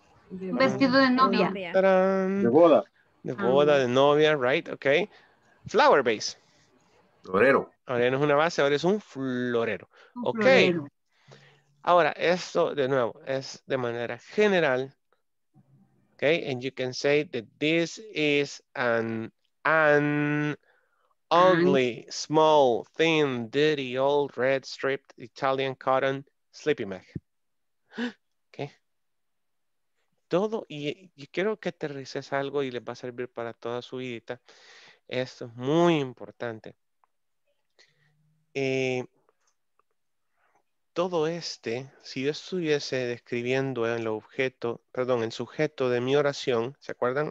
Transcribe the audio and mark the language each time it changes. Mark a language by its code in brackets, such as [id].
[es] Vestido de novia. ¡Tarán! De boda. De boda, de novia, [en] right, ok. Flower base. [es] Florero. Ahora ya no es una base, ahora es un florero. Un ok. Florero. Ahora, esto, de nuevo, es de manera general. [en] Okay, and you can say that this is an ugly, small, thin, dirty, old, red, striped Italian cotton sleeping bag. Okay. [es] Todo, y quiero que aterrices algo y les va a servir para toda su vidita. Esto es muy importante. Todo este, si yo estuviese describiendo el objeto, perdón, el sujeto de mi oración, ¿se acuerdan?